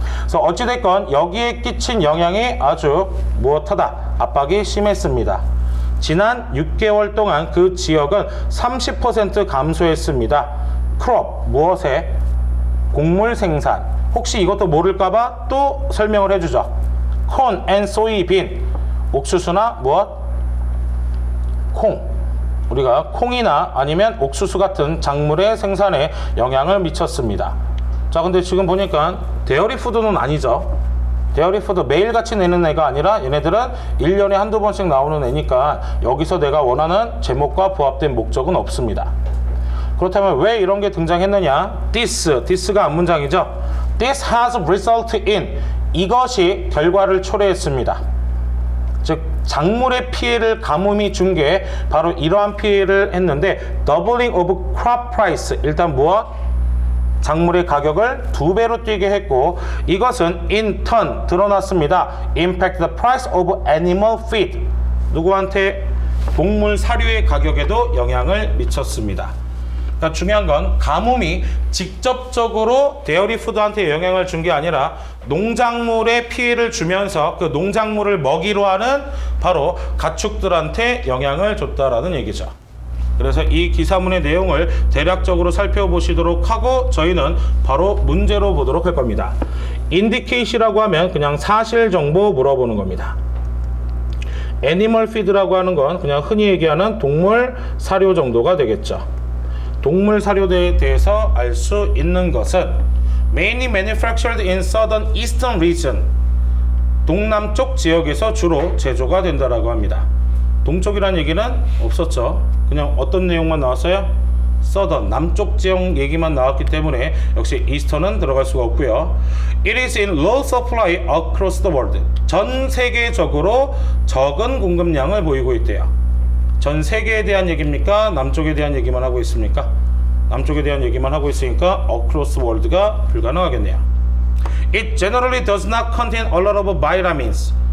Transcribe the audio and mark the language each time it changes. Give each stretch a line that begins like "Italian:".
Korean: 그래서 어찌됐건 여기에 끼친 영향이 아주 무엇하다 압박이 심했습니다. 지난 6개월 동안 그 지역은 30% 감소했습니다. crop 무엇에? 곡물 생산. 혹시 이것도 모를까봐 또 설명을 해주죠.
English: corn and soybean
Korean: 옥수수나 무엇? 콩. 우리가 콩이나 아니면 옥수수 같은 작물의 생산에 영향을 미쳤습니다. 자, 근데 지금 보니까 데어리 푸드는 아니죠. 데어리 푸드 매일같이 내는 애가 아니라 얘네들은 1년에 한두 번씩 나오는 애니까 여기서 내가 원하는 제목과 부합된 목적은 없습니다. 그렇다면 왜 이런 게 등장했느냐? This가 앞문장이죠.
English: This has resulted in.
Korean: 이것이 결과를 초래했습니다. 즉 작물의 피해를 가뭄이 준 게 바로 이러한 피해를 했는데
English: doubling of crop price.
Korean: 일단 무엇? 작물의 가격을 두 배로 뛰게 했고 이것은
English: in turn
Korean: 드러났습니다.
English: Impact the price of animal feed.
Korean: 누구한테? 동물 사료의 가격에도 영향을 미쳤습니다. 그러니까 중요한 건 가뭄이 직접적으로 데어리 푸드한테 영향을 준 게 아니라 농작물에 피해를 주면서 그 농작물을 먹이로 하는 바로 가축들한테 영향을 줬다라는 얘기죠. 그래서 이 기사문의 내용을 대략적으로 살펴보시도록 하고 저희는 바로 문제로 보도록 할 겁니다. Indicate이라고 하면 그냥 사실 정보 물어보는 겁니다. Animal feed라고 하는 건 그냥 흔히 얘기하는 동물 사료 정도가 되겠죠. 동물 사료에 대해서 알 수 있는 것은
English: Mainly manufactured in southern eastern region.
Korean: 동남쪽 지역에서 주로 제조가 된다라고 합니다. 동쪽이란 얘기는 없었죠. 그냥 어떤 내용만 나왔어요? Southern, 남쪽 지역 얘기만 나왔기 때문에 역시 Eastern은 들어갈 수가 없고요.
English: It is in low supply across the world.
Korean: 전 세계적으로 적은 공급량을 보이고 있대요. 전 세계에 대한 얘기입니까? 남쪽에 대한 얘기만 하고 있습니까? 남쪽에 대한 얘기만 하고 있으니까
English: across the world
Korean: 가 불가능하겠네요.
English: It generally does not contain a lot of vitamins.